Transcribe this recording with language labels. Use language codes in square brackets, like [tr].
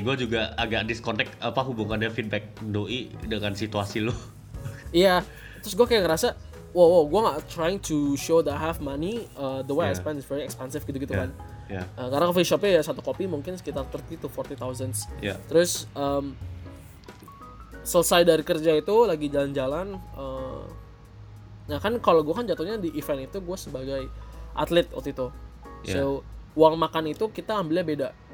[id] Gue juga agak disconnect apa hubungannya feedback doi dengan situasi lo. Terus gue kayak ngerasa, gue gak [en] trying to show that I have money, the way I spend is very expensive [id] gitu-gitu kan. Karena coffee shopnya ya satu kopi mungkin sekitar 30 to 40,000. Terus selesai dari kerja itu lagi jalan-jalan. Nah kan kalau gue kan jatuhnya di event itu gue sebagai atlet waktu itu. So uang makan itu kita ambilnya beda.